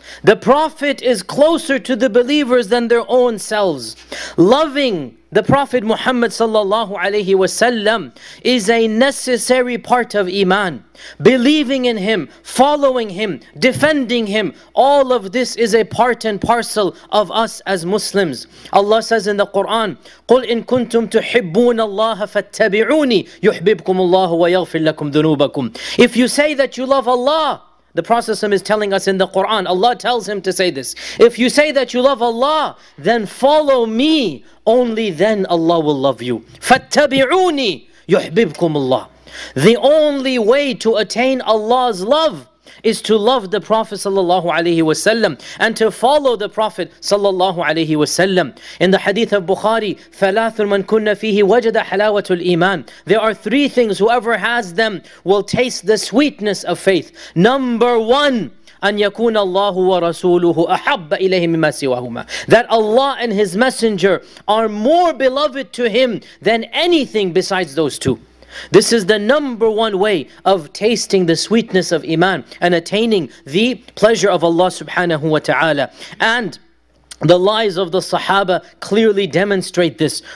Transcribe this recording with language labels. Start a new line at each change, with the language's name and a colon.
English: The Prophet is closer to the believers than their own selves. Loving the Prophet Muhammad sallallahu alayhi wa sallam is a necessary part of iman. Believing in him, following him, defending him, all of this is a part and parcel of us as Muslims. Allah says in the Quran,
Arabic: قُلْ إِن كُنْتُمْ تُحِبُّونَ اللَّهَ فَاتَّبِعُونِي يُحْبِبْكُمُ اللَّهُ وَيَغْفِرْ لَكُمْ ذُنُوبَكُمْ.
English: If you say that you love Allah, the Prophet is telling us in the Quran, Allah tells him to say this. If you say that you love Allah, then follow me. Only then Allah will love you.
Arabic: فَاتَّبِعُونِي يُحْبِبْكُمُ اللَّهُ.
English: The only way to attain Allah's love is to love the Prophet sallallahu alayhi wa sallam and to follow the Prophet sallallahu alayhi wa sallam. In the hadith of Bukhari,
Arabic: ثَلَاثٌ مَنْ كُنَّ فِيهِ وَجَدَ حَلَاوَةُ الْإِيمَانِ.
English: There are three things, whoever has them will taste the sweetness of faith. Number one,
Arabic: أَنْ يَكُونَ اللَّهُ وَرَسُولُهُ أَحَبَّ إِلَيْهِ مِمَّا سِوَاهُمَا.
English: That Allah and His Messenger are more beloved to Him than anything besides those two. This is the number one way of tasting the sweetness of iman and attaining the pleasure of Allah subhanahu wa ta'ala. And the lives of the Sahaba clearly demonstrate this.